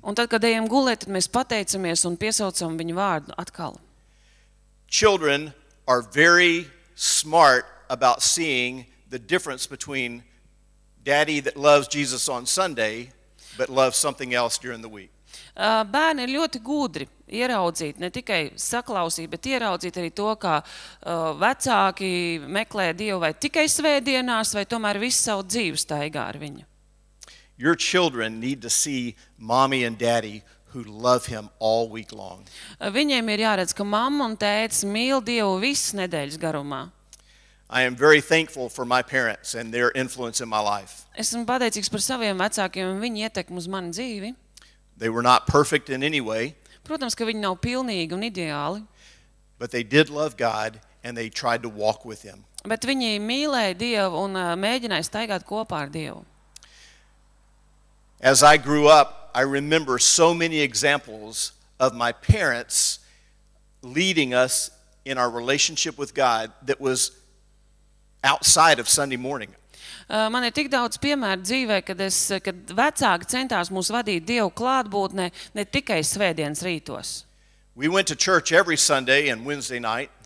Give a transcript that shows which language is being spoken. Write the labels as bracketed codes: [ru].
[lv] Un tad, kad ejam gulēt, tad mēs pateicamies un piesaucam viņa vārdu atkal. [en] Children are very smart about seeing the difference between daddy that loves Jesus on Sunday but loves something else during the week. [lv] Bērni ir ļoti gudri ieraudzīt, ne tikai saklausīt, bet ieraudzīt arī to, kā vecāki meklē Dievu vai tikai svētdienās, vai tomēr visu savu dzīvi staigā ar viņu. [en] Your children need to see mommy and daddy who love him all week long. [lv] Viņiem ir jāredz, ka mamma un tētis mīl Dievu visu nedēļas garumā. [en] I am very thankful for my parents and their influence in my life. [lv] Esmu pateicīgs par saviem vecākiem un viņu ietekmi uz manu dzīvi. [en] They were not perfect in any way. [lv] Protams, ka viņi nav pilnīgi un ideāli. [en] But they did love God and they tried to walk with him. [lv] Bet viņi mīlēja Dievu un mēģināja staigāt kopā ar Dievu. [en] As I grew up, I remember so many examples of my parents leading us in our relationship with God that was outside of Sunday morning. [lv] Man ir tik daudz piemēru dzīvē, kad vecāki centās mūs vadīt Dievu klātbūtnē ne tikai svētdienas rītos. [en] We went to church every Sunday and Wednesday night.